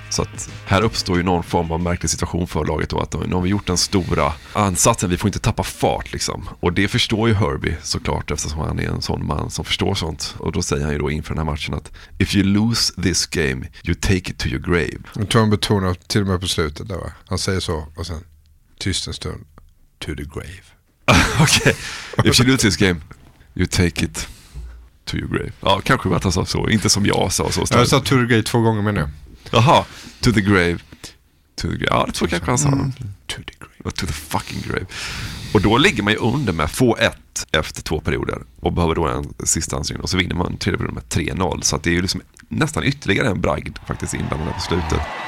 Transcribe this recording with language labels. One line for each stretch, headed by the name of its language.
Swedish: Så att här uppstår ju någon form av märklig situation för laget då. Att nu har vi gjort den stora ansatsen. Vi får inte tappa fart liksom. Och det förstår ju Herbie såklart, eftersom han är en sån man som förstår sånt. Och då säger han ju då inför den här matchen att
English: if you lose this game, you take it to your grave.
Swedish: Jag tror han betonar till och med på slutet där, va? Han säger så och sen tyst en stund.
English: To the grave. Okej, okay. If you lose this game, you take it to your grave.
Swedish: Ja, kanske bara sa så, inte som jag sa så. Jag sa
English: to the grave
Swedish: 2 gånger menar jag. Jaha,
English: to the grave. To the grave.
Swedish: Ja, det tror jag kanske han sa.
English: To the grave. Och to the fucking grave.
Swedish: Och då ligger man ju under med 2-1 efter 2 perioder. Och behöver då en sista ansträngning. Och så vinner man 3 perioder med 3-0. Så att det är ju liksom nästan ytterligare en bragd faktiskt inblandad på slutet.